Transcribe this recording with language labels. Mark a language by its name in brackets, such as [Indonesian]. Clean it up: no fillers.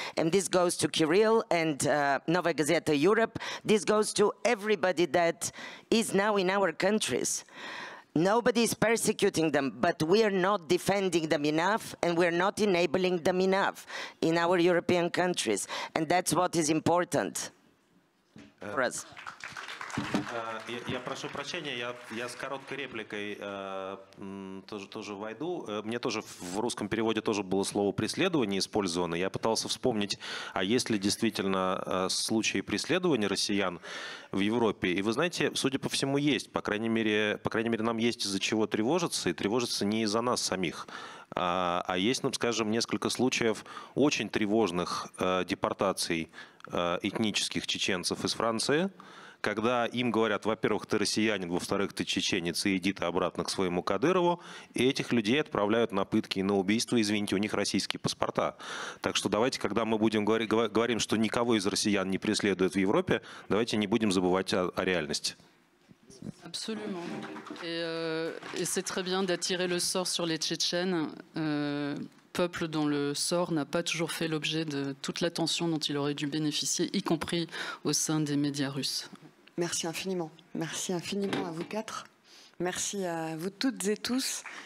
[English] And this goes to Kirill and Nova Gazeta Europe. This goes to everybody that is now in our countries. Nobody is persecuting them, but we are not defending them enough, and we are not enabling them enough in our European countries. And that's what is important for us. [Russian] Я прошу прощения, я с короткой репликой тоже войду. Мне тоже в русском переводе тоже было слово «преследование» использовано. Я пытался вспомнить, а есть ли действительно случаи преследования россиян в Европе. И вы знаете, судя по всему, есть. По крайней мере, нам есть из-за чего тревожиться, и тревожиться не из-за нас самих. А есть, ну, скажем, несколько случаев очень тревожных депортаций этнических чеченцев из Франции. Когда им говорят, во-первых, ты россиянин, во-вторых, ты чеченец, и иди ты обратно к своему Кадырову, и этих людей отправляют на пытки и на убийство, извините, у них российские паспорта. Так что давайте, когда мы будем говорим, что никого из россиян не преследуют в Европе, давайте не будем забывать о реальности. Абсолютно. И это [French] très bien d'attirer le sort sur les Tchétchènes, peuple dont le sort n'a pas toujours fait l'objet de toute l'attention dont il aurait dû bénéficier, y compris au sein des médias russes. Merci infiniment. Merci infiniment à vous quatre. Merci à vous toutes et tous.